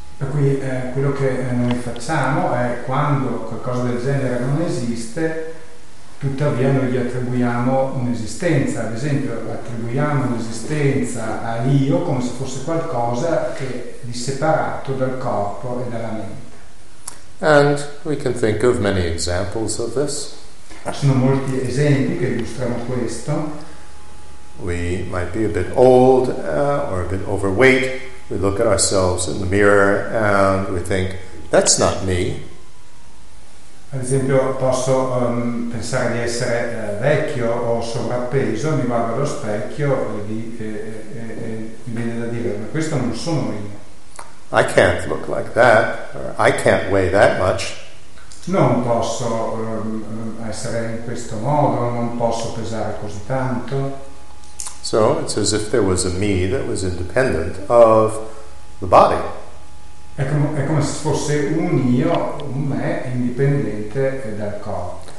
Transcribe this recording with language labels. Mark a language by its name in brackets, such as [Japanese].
[Italian] Per cui quello che noi facciamo è, quando qualcosa del genere non esiste, tuttavia noi gli attribuiamo un'esistenza. Ad esempio, attribuiamo un'esistenza a io come se fosse qualcosa che di separato dal corpo e dalla mente. [English] And we can think of many examples of this. [Italian] Ci sono molti esempi che illustrano questo. [English] We might be a bit old or a bit overweight. We look at ourselves in the mirror and we think, that's not me. [Italian] Ad esempio, posso pensare di essere vecchio o sovrappeso, mi guardo allo specchio e mi viene da dire, ma questo non sono io. [English] I can't look like that, or I can't weigh that much. [Italian] Non posso essere in questo modo, non posso pesare così tanto. [English] So it's as if there was a me that was independent of the body. [Italian] È come se fosse un io, un me indipendente dal corpo.